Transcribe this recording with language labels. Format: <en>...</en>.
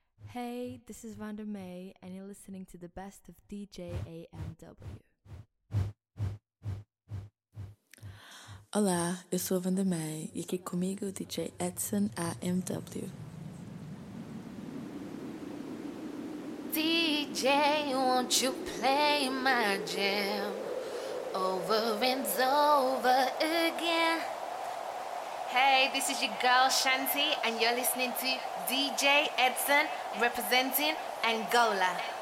<en>Hey, this is Vander May, and you're listening to the best of DJ AMW.</en> <pt>Olá, eu sou Vander May, e aqui comigo DJ Edson AMW.</pt> <en>DJ, won't you play my jam over and over again? Hey, this is your girl Shanti, and you're listening to DJ Edson representing Angola.</en>